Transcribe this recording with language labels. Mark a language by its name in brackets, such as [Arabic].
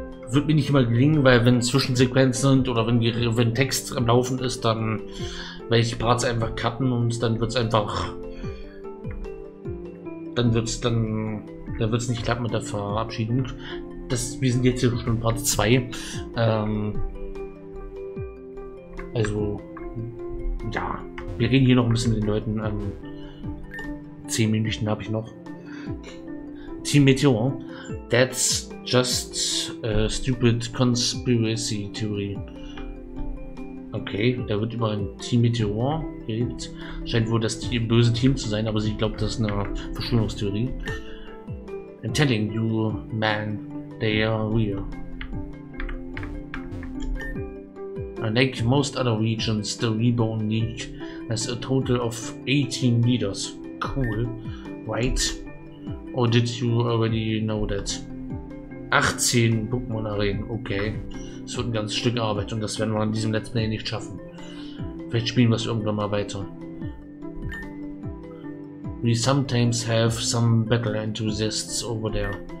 [German] Wird mir nicht immer gelingen, weil wenn Zwischensequenzen sind oder wenn Text am Laufen ist, dann werde ich Parts einfach cutten und dann wird es nicht klappen mit der Verabschiedung. Wir sind jetzt hier schon in Part 2. Also, ja, wir reden hier noch ein bisschen mit den Leuten. 10 Minuten habe ich noch. [English] Team Meteor, that's just a stupid conspiracy theory. [German] Okay, da wird über ein Team Meteor geredet. Scheint wohl das böse Team zu sein, aber sie glaubt, das ist eine Verschwörungstheorie. [English] I'm telling you, man, they are real. Like most other regions, the Reborn League has a total of 18 leaders. Cool, right? Or did you already know that? [German] 18 Pokémon-Arenen, okay. Das wird ein ganzes Stück Arbeit und das werden wir in diesem letzten Jahr nicht schaffen. Vielleicht spielen wir es irgendwann mal weiter. [English] We sometimes have some battle enthusiasts over there.